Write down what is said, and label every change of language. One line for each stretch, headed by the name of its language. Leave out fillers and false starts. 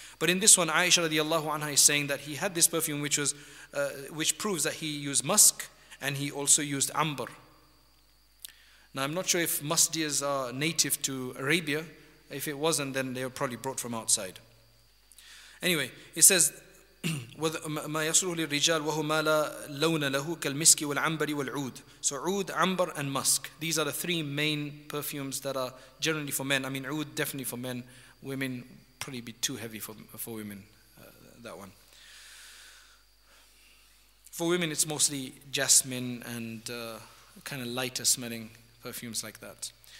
English: But in this one, Aisha radiallahu anha is saying that he had this perfume which proves that he used musk, and he also used amber. Now, I'm not sure if musk deers are native to Arabia. If it wasn't, then they were probably brought from outside. Anyway, it says,
Arabic: وما يصله للرجال وهو ما لا لون له كالمسك والعنبر والعود.
English: So عود, amber and musk. These are the three main perfumes that are generally for men. I mean, عود definitely for men. Women probably be too heavy for women. That one. For women, it's mostly jasmine and kind of lighter smelling perfumes like that.